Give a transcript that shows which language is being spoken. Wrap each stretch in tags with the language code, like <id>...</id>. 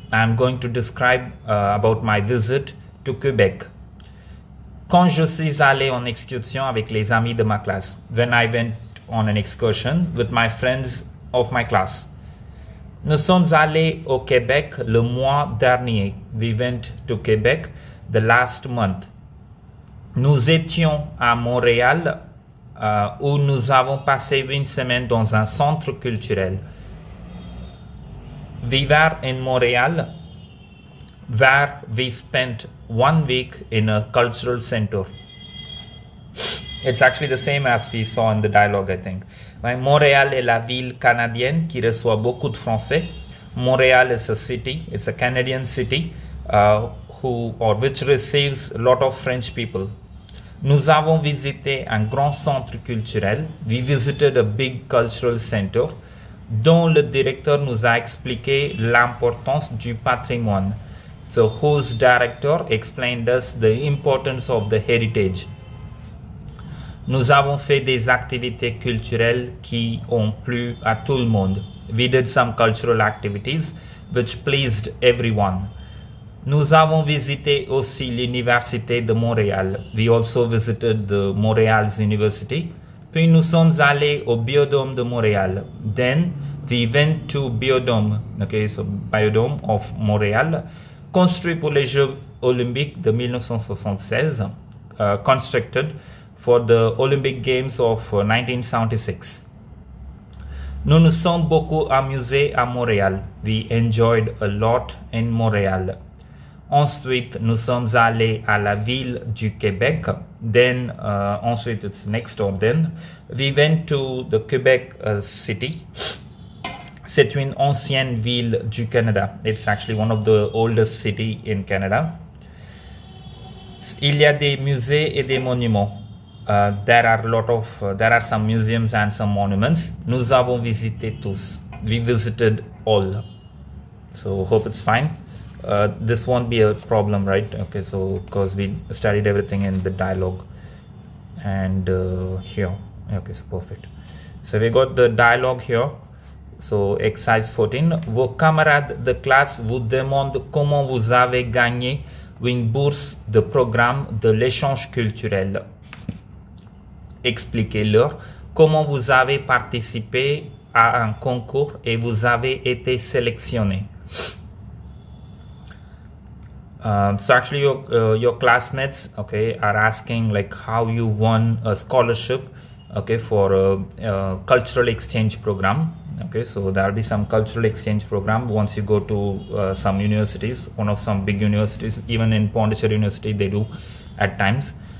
<en>I'm going to describe about my visit to Quebec.</en> <fr>Quand je suis allé en excursion avec les amis de ma classe.</fr> <en>When I went on an excursion with my friends of my class.</en> <fr>Nous sommes allés au Québec le mois dernier.</fr> <en>We went to Quebec the last month.</en> <fr>Nous étions à Montréal où nous avons passé une semaine dans un centre culturel.</fr> <en>We were in Montréal where we spent 1 week in a cultural center. It's actually the same as we saw in the dialogue, I think.</en> <fr>Montréal est la ville canadienne qui reçoit beaucoup de Français.</fr> <en>Montréal is a city, it's a Canadian city, which receives a lot of French people.</en> <fr>Nous avons visité un grand centre culturel.</fr> <en>We visited a big cultural center.</en> <fr>dont le directeur nous a expliqué l'importance du patrimoine.</fr> <en>So whose director explained us the importance of the heritage.</en> <fr>Nous avons fait des activités culturelles qui ont plu à tout le monde.</fr> <en>We did some cultural activities which pleased everyone.</en> <fr>Nous avons visité aussi l'université de Montréal.</fr> <en>We also visited the Montreal's university.</en> <fr>Puis nous sommes allés au biodôme de Montréal.</fr> <en>Then we went to biodôme, okay, so biodôme of Montréal,</en> <fr>construit pour les Jeux Olympiques de 1976,</fr> <en>constructed for the Olympic Games of 1976.</en> <fr>Nous nous sommes beaucoup amusés à Montréal.</fr> <en>We enjoyed a lot in Montréal.</en> <fr>Ensuite, nous sommes allés à la ville du Québec.</fr> <en>Then, ensuite, it's next or then. We went to the Quebec city.</en> <fr>C'est une ancienne ville du Canada.</fr> <en>It's actually one of the oldest city in Canada.</en> <fr>Il y a des musées et des monuments.</fr> <en>There are some museums and some monuments.</en> <fr>Nous avons visité tous.</fr> <en>We visited all. So, hope it's fine. This won't be a problem, right? Okay, so because we studied everything in the dialogue and here. Okay, so perfect. So we got the dialogue here. So exercise 14.</en> <fr>Vos camarades de classe vous demandent comment vous avez gagné une bourse de programme de l'échange culturel. Expliquez-leur comment vous avez participé à un concours et vous avez été sélectionné.</fr> <en>So actually your classmates, okay, are asking like how you won a scholarship, okay, for a cultural exchange program. Okay, so there'll be some cultural exchange program once you go to some universities, one of some big universities, even in Pondicherry University they do at times.</en>